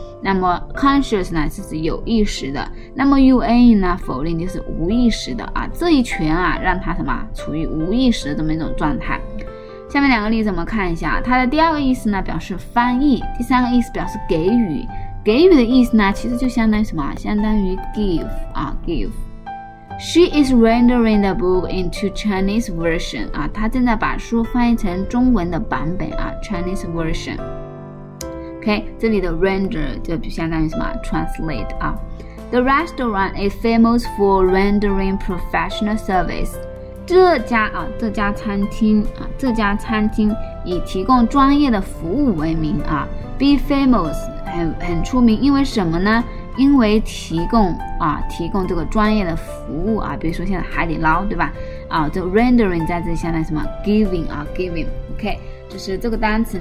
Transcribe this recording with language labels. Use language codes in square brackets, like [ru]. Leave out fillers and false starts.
[zh] 那么 conscious 呢是指有意识的，那么 un 呢否定就是无意识的啊。这一拳啊让他什么处于无意识的这么一种状态。下面两个例子我们看一下，它的第二个意思呢表示翻译，第三个意思表示给予。给予的意思呢其实就相当于什么，相当于 give 啊 give。 [en] She is rendering the book into Chinese version [zh] 啊，她正在把书翻译成中文的版本啊 [en] Chinese version。 [zh] OK， 这里的 render 就相当于什么 translate 啊。 [en] The restaurant is famous for rendering professional service。 [zh] 这家啊，这家餐厅啊，这家餐厅以提供专业的服务为名啊 ， [en] be famous [zh] 很出名，因为什么呢？因为提供这个专业的服务啊，比如说现在海底捞对吧？啊，这 rendering 在这里相当于什么 ？giving 啊 ，giving，OK， 就是这个单词。